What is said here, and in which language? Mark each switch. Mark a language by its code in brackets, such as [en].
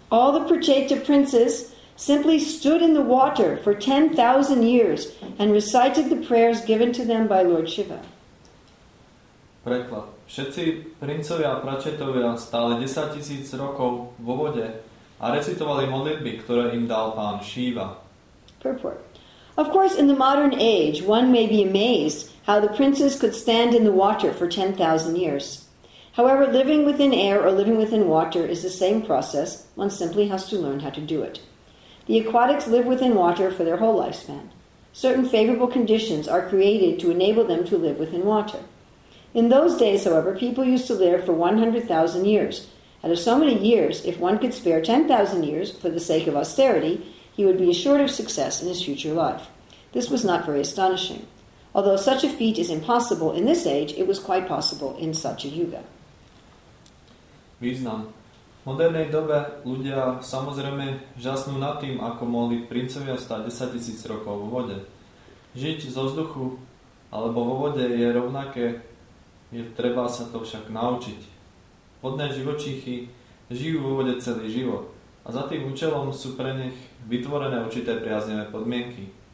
[en] All the Pracheta princes simply stood in the water for 10,000 years and recited the prayers given to them by Lord Shiva. [sk] Preklad. Všetci princovia a pračetovia stáli 10,000 rokov vo vode a recitovali modlitby, ktoré im dal pán Shiva. [en] Purport. Of course, in the modern age, one may be amazed how the princes could stand in the water for 10,000 years. However, living within air or living within water is the same process. One simply has to learn how to do it. The aquatics live within water for their whole lifespan. Certain favorable conditions are created to enable them to live within water. In those days, however, people used to live for 100,000 years, Out of so many years, if one could spare 10,000 years for the sake of austerity, he would be assured of success in his future life. This was not very astonishing. Although such a feat is impossible in this age, it was quite possible in such a yuga. [sk] Význam. V modernej dobe ľudia samozrejme žasnú nad tým, ako mohli princovia stať 10,000 rokov vo vode. Žiť zo vzduchu alebo vo vode je rovnaké, je treba sa to však naučiť. Vodné živočíchy žijú vo vode celý život a za tým účelom sú pre nich vytvorené určité priaznivé podmienky.